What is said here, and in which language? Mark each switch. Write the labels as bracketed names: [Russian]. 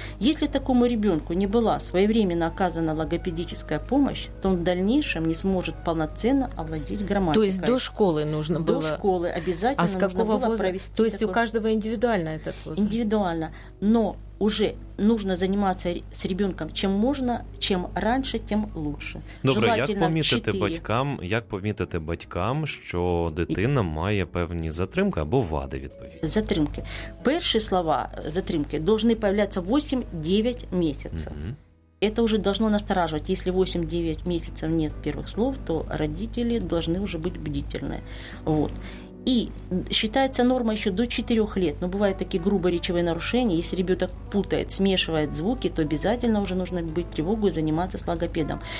[Russian] Если такому ребенку не была своевременно оказана логопедическая помощь, то он в дальнейшем не сможет полноценно овладеть грамматикой. То есть до школы нужно было? До школы обязательно нужно было провести. То есть у каждого индивидуально этот возраст? Индивидуально. Но уже нужно заниматься с ребенком чем можно, чем раньше, тем лучше. [Ukrainian] Добре, як помітити батькам, що дитина має певні затримки або вади відповідні? Затримки. Перші слова затримки повинні з'являтися 8-9 місяців. Угу. [Russian] Это уже должно настораживать. Если [Ukrainian] 8-9 місяців [Russian] нет перших слов, то родители должны уже быть бдительны. Вот. И считается нормой еще до 4 лет, но бывают такие грубые речевые нарушения. Если ребенок путает, смешивает звуки, то обязательно уже нужно бить тревогу и заниматься с логопедом.